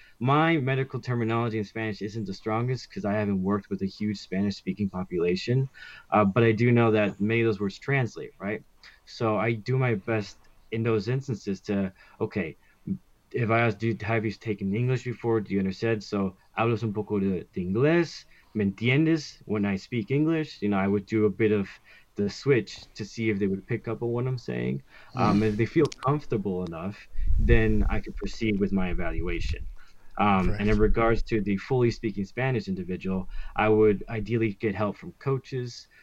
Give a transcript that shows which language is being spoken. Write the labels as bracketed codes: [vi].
[en] My medical terminology in Spanish isn't the strongest, because I haven't worked with a huge Spanish speaking population, but I do know that many of those words translate, right? So I do my best in those instances to, okay, if I ask, have you taken English before? Do you understand? [es] So, hablas un poco de inglés, me entiendes? [en] When I speak English, you know, I would do a bit of the switch to see if they would pick up on what I'm saying. If they feel comfortable enough, then I could proceed with my evaluation. And in regards to the fully speaking Spanish individual, I would ideally get help from coaches.